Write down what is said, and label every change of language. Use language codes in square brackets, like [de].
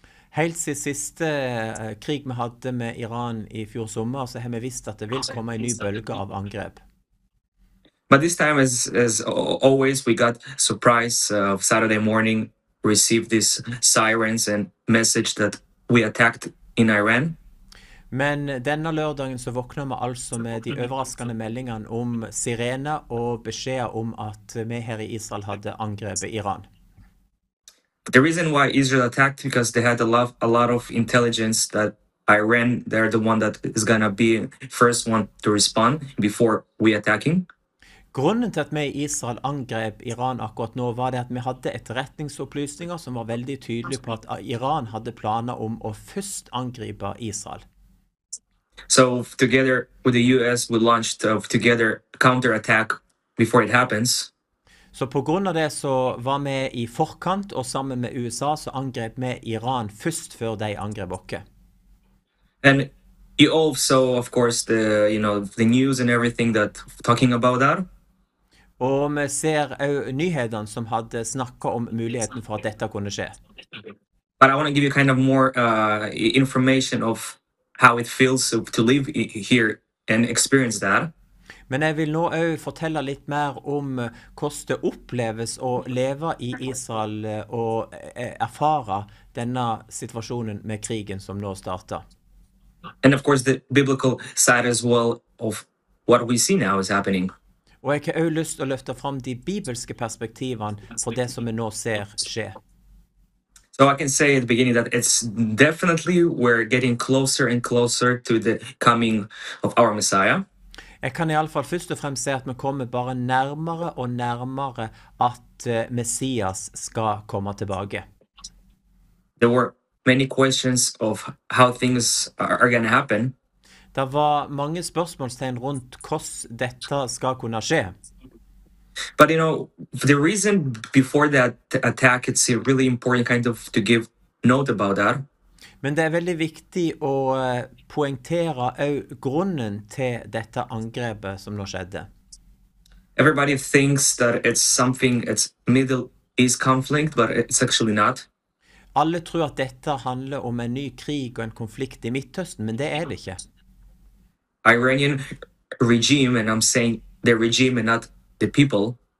[no] Helt siden siste krig vi hadde med Iran i fjor sommer, så har vi visst at det vil komme en ny bølge av angrep. [en] But this time, as always, we got surprise of Saturday morning, received these sirens and message that we attacked in Iran. [no] Men denne lørdagen så våkner vi altså med de overraskende meldingene om sirene og beskjed om at vi her i Israel hadde angrepet Iran. [en] The reason why Israel attacked, because they had a lot of intelligence that Iran, they're the one that is going to be first one to respond before we attacking. [no] Grunnen til at vi i Israel angrep Iran akkurat nå var det at vi hadde etterretningsopplysninger som var veldig tydelige på at Iran hadde planer om å først angripe Israel. [en] So together with the US we launched together counterattack before it happens. [no] Så på grunn av det så var vi i forkant og sammen med USA så angrep vi Iran først før de angrep oss. [en] And you also of course the you know the news and everything that talking about that. [no] Og vi ser nyhetene som hadde snakket om muligheten for at dette kunne skje. [en] But I want to give you kind of more information of how it feels to live here and experience that. [no] Men jeg vil nå òg fortelle litt mer om hvordan det oppleves å leve i Israel og erfare denne situasjonen med krigen som nå starter. [en] And of course the biblical side as well of what we see now is happening. [no] Og jeg har òg lyst til å løfte fram de bibelske perspektivene for det som vi nå ser skje. [en] So I can say at the beginning that it's definitely we're getting closer and closer to the coming of our Messiah. [no] Jeg kan i alle fall først og fremst se at vi kommer bare nærmere og nærmere at Messias skal komme tilbake. [en] There were many questions of how things are going to happen. [no] Det var mange spørsmålstegn rundt hvordan dette skal kunne skje. [en] But you know, the reason before that attack, it's a really important kind of to give note about that. [no] Men det er veldig viktig å poengtere grunnen til dette angrepet som nå skjedde. [en] Everybody thinks that it's something, it's Middle East conflict, but it's actually not. [no] Alle tror at dette handler om en ny krig og en konflikt i Midtøsten, men det er det ikke. [en] Iranian regime, and I'm saying the regime and not the people.